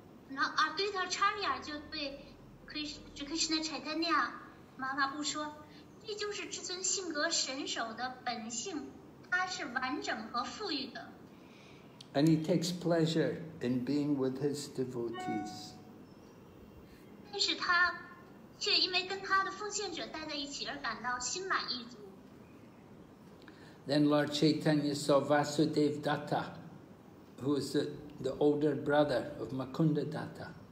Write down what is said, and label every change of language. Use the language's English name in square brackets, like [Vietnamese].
[Chinese] Now, Advaita Acharya 就对 Lord Chaitanya 说，这就是至尊性格神首的本性。他是完整和富裕的。 [English] And he takes pleasure in being with his devotees. [Chinese] 但是他却因为跟他的奉献者待在一起而感到心满意足。 [English] Then Lord Chaitanya saw Vasudev Datta, who is the older brother of Mukunda Datta.